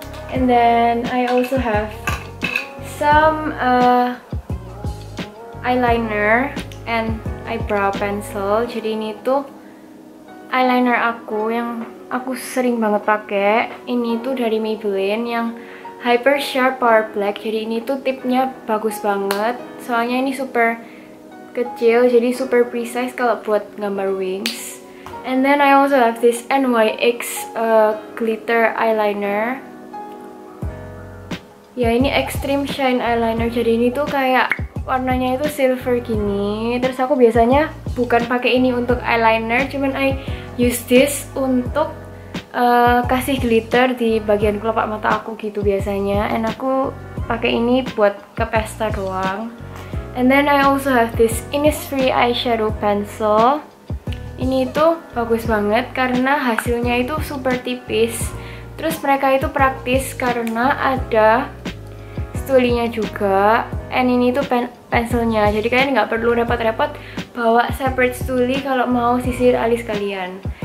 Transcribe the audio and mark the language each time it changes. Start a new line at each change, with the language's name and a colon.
English: And then I also have some eyeliner and eyebrow pencil.
Indonesian: Jadi ini tuh eyeliner aku yang aku sering banget pakai. Ini tuh dari Maybelline yang Hyper Sharp Power Black. Jadi ini tuh tipnya bagus banget. Soalnya ini super kecil, jadi super precise kalau buat gambar wings.
English: And then I also have this NYX glitter eyeliner.
Indonesian: Ya, ini Extreme Shine Eyeliner. Jadi ini tuh kayak warnanya itu silver gini. Terus aku biasanya bukan pakai ini untuk eyeliner, cuman
English: I use this
Indonesian: untuk kasih glitter di bagian kelopak mata aku gitu biasanya. And aku pakai ini buat ke pesta doang.
English: And then I also have this Innisfree eyeshadow pencil.
Indonesian: Ini itu bagus banget karena hasilnya itu super tipis. Terus mereka itu praktis karena ada stulinya juga. And ini tuh pencilnya, jadi kalian nggak perlu repot-repot bawa separate stuli kalau mau sisir alis kalian.